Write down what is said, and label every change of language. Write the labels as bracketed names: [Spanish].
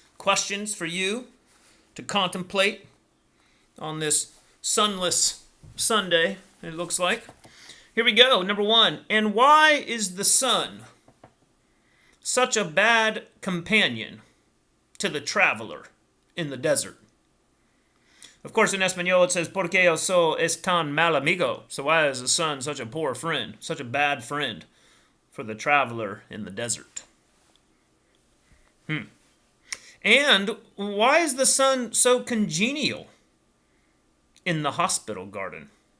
[English] Questions for you to contemplate on this sunless Sunday, it looks like. Here we go. Number one, and why is the sun such a bad companion to the traveler in the desert? Of course, in Espanol, it says, [Spanish] ¿por qué el sol es tan mal amigo? [English] So why is the sun such a poor friend, such a bad friend for the traveler in the desert? And why is the sun so congenial in the hospital garden?